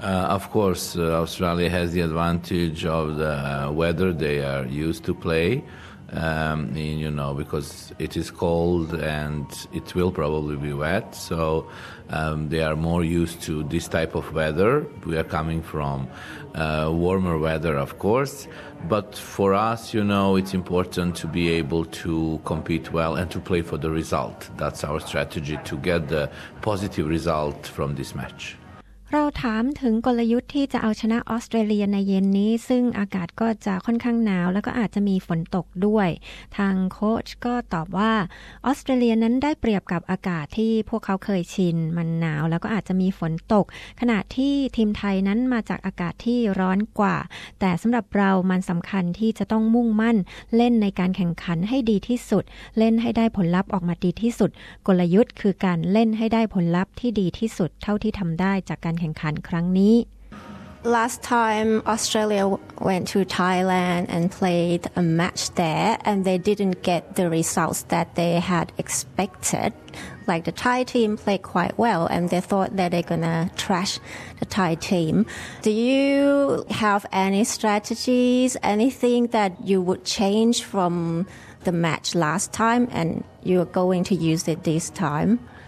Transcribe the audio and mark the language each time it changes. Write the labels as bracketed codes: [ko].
[en] Of course, Australia has the advantage of the weather they are used to play, because it is cold and it will probably be wet, so they are more used to this type of weather. We are coming from warmer weather, of course, but for us, you know, it's important to be able to compete well and to play for the result. That's our strategy, to get the positive result from this match. [th] เราถามถึงกลยุทธ์ที่จะเอาชนะออสเตรเลียในเย็นนี้ซึ่งอากาศก็จะค่อนข้างหนาวแล้วก็อาจจะมีฝนตกด้วยทางโค้ชก็ตอบว่า ออสเตรเลียนั้นได้เปรียบกับอากาศที่พวกเขาเคยชินมันหนาวแล้วก็อาจจะมีฝนตกขณะที่ทีมไทยนั้นมาจากอากาศที่ร้อนกว่าแต่สำหรับเรามันสำคัญที่จะต้องมุ่งมั่นเล่นในการแข่งขันให้ดีที่สุดเล่นให้ได้ผลลัพธ์ออกมาดีที่สุดกลยุทธ์คือการเล่นให้ได้ผลลัพธ์ที่ดีที่สุดเท่าที่ทำได้จากการแข่งขันครั้งนี้ [en] Last time Australia went to Thailand and played a match there and they didn't get the results that they had expected like the Thai team played quite well and they thought that they're gonna trash the Thai team Do you have any strategies anything that you would change from the match last time and you're going to use it this time